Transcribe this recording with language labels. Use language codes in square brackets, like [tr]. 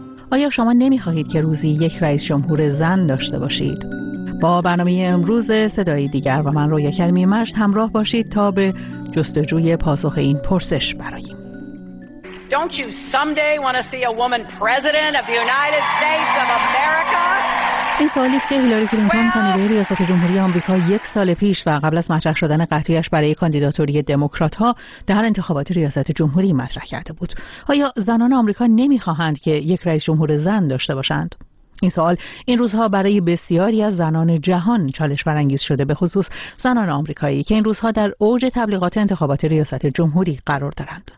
[fa] آیا شما نمی خواهید که روزی یک رئیس جمهور زن داشته باشید؟ با برنامه امروز صدایی دیگر و من رویا کریمی مجد همراه باشید تا به جستجوی پاسخ این پرسش براییم. [en] Don't you someday want to see a woman president of the United States of America? [fa] این سوالی است که هیلاری کلینتون کاندیدای ریاست جمهوری آمریکا یک سال پیش و قبل از مطرح شدن قطعیش برای کاندیداتوری دموکرات‌ها در انتخابات ریاست جمهوری مطرح کرده بود. آیا زنان آمریکا نمی‌خواهند که یک رئیس جمهور زن داشته باشند؟ این سوال این روزها برای بسیاری از زنان جهان چالش برانگیز شده، به خصوص زنان آمریکایی که این روزها در اوج تبلیغات انتخابات ریاست جمهوری قرار دارند.